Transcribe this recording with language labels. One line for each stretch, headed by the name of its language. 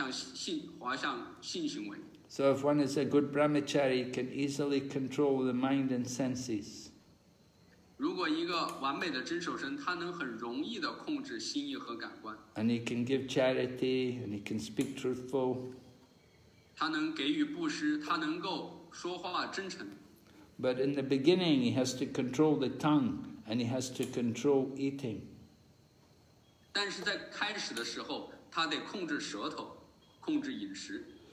Chinese: 因为如果他们私下的谈话的话，总会有机会让他们滑向性行为。
English: So if one is a good brahmachari, he can easily control the mind and senses.
Chinese: 如果一个完美的真守身，他能很容易地控制心意和感官。
English: And he can give charity, and he can speak truthful.
Chinese: 他能给予布施，他能够说话真诚。
English: But in the beginning, he has to control the tongue, and he has to control eating.
Chinese: 但是在开始的时候，他得控制舌头，控制饮食。